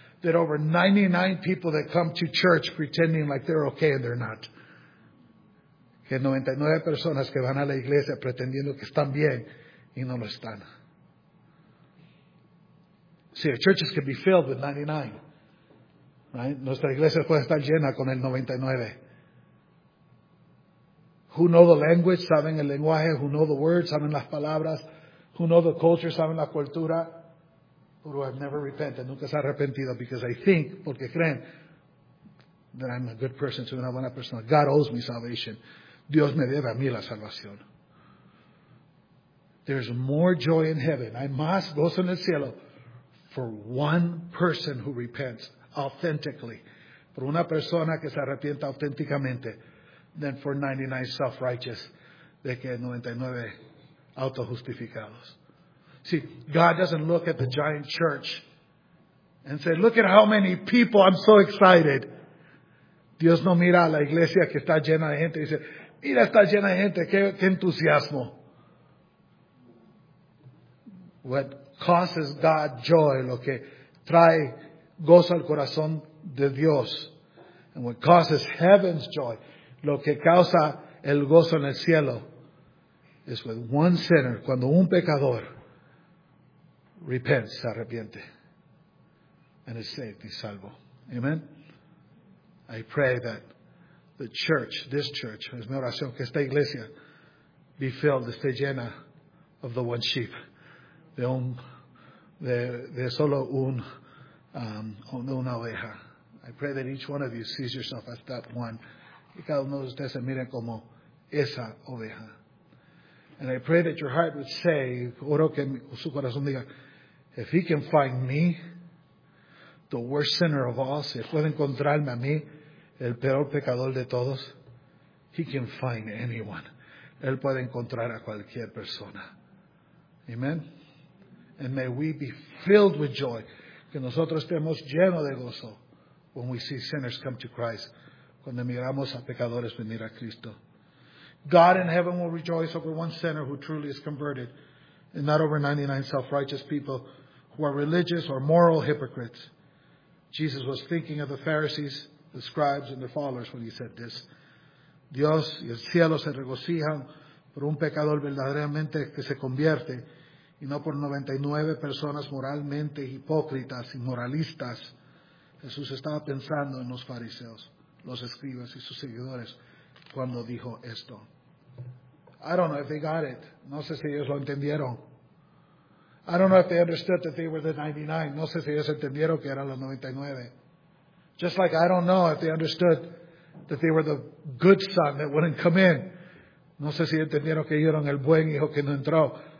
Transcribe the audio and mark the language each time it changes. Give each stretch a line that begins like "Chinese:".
English: There are over 99 people that come to church pretending like they're okay and they're not.
Spanish: Que 99 personas que van a la iglesia pretendiendo que están bien y no lo están.
English: See, churches can be filled with 99. Right?
Spanish: Nuestra iglesia puede estar llena con el 99.
English: Who know the language,
Spanish: saben el lenguaje.
English: Who know the words,
Spanish: saben las palabras.
English: Who know the culture,
Spanish: saben la cultura.
English: But who have never repented,
Spanish: nunca se ha arrepentido,
English: because I think,
Spanish: porque creen,
English: that I'm a good person,
Spanish: soy una buena persona.
English: God owes me salvation.
Spanish: Dios me debe a mí la salvación.
English: There's more joy in heaven.
Spanish: Hay más gozo en el cielo
English: for one person who repents authentically.
Spanish: Por una persona que se arrepienta auténticamente.
English: Than for 99 self-righteous,
Spanish: de que 99 autojustificados.
English: See, God doesn't look at the giant church and say, look at how many people, I'm so excited.
Spanish: Dios no mira a la iglesia que está llena de gente y dice, mira, está llena de gente, qué entusiasmo.
English: What causes God joy,
Spanish: lo que trae gozo al corazón de Dios,
English: and what causes heaven's joy,
Spanish: lo que causa el gozo en el cielo es
English: with one sinner,
Spanish: cuando un pecador
English: repents,
Spanish: se arrepiente,
English: and is saved,
Spanish: y salvo. Amen.
English: I pray that the church, this church,
Spanish: es mi oración que esta iglesia
English: be filled,
Spanish: esté llena
English: of the one sheep,
Spanish: de una oveja.
English: I pray that each one of you sees yourself as that one.
Spanish: Y cada uno de ustedes se mire como esa oveja.
English: And I pray that your heart would say,
Spanish: oro que su corazón diga,
English: if he can find me, the worst sinner of all,
Spanish: si puede encontrarme a mí, el peor pecador de todos,
English: he can find anyone.
Spanish: Él puede encontrar a cualquier persona. Amen.
English: And may we be filled with joy.
Spanish: Que nosotros estemos llenos de gozo
English: when we see sinners come to Christ.
Spanish: Cuando miramos a pecadores venir a Cristo.
English: God in heaven will rejoice over one sinner who truly is converted, and not over 99 self-righteous people who are religious or moral hypocrites. Jesus was thinking of the Pharisees, the scribes, and their followers when he said this.
Spanish: Dios y el cielo se regocijan por un pecador verdaderamente que se convierte, y no por 99 personas moralmente hipócritas y moralistas. Jesús estaba pensando en los fariseos, los escribas y sus seguidores cuando dijo esto.
English: I don't know if they got it.
Spanish: No sé si ellos lo entendieron.
English: I don't know if they understood that they were the 99.
Spanish: No sé si ellos entendieron que eran los 99.
English: Just like I don't know if they understood that they were the good son that wouldn't come in.
Spanish: No sé si entendieron que ellos eran el buen hijo que no entró.